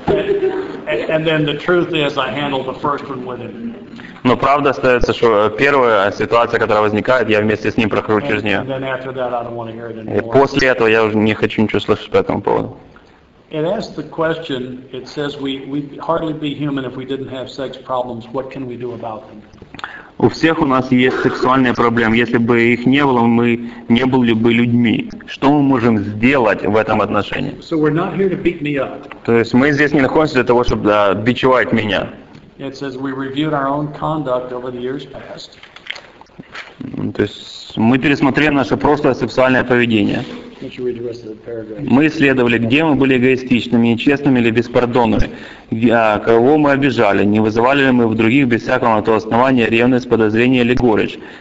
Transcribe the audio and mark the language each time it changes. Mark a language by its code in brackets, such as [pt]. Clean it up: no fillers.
[en] And then the truth is, I handle the first one with him. [ru] Но правда остается, что первая ситуация, которая возникает, я вместе с ним прохожу через нее. [en] And then after that, I don't want to hear it anymore. [ru] И после этого я уже не хочу ничего слышать по этому поводу. [en] It asks the question. It says we'd hardly be human if we didn't have sex problems. What can we do about them? [ru] У всех у нас есть сексуальные проблемы. Если бы их не было, мы не были бы людьми. Что мы можем сделать в этом отношении? [en] So we're not here to beat me up. [ru] То есть мы здесь не находимся для того, чтобы бичевать меня. [en] It says we reviewed our own conduct over the years past. [ru] То есть мы пересмотрели наше прошлое сексуальное поведение. Мы исследовали, где мы были эгоистичными, нечестными или беспардонными, кого мы обижали, не вызывали ли мы в других без всякого на то основания ревность, подозрение или горечь.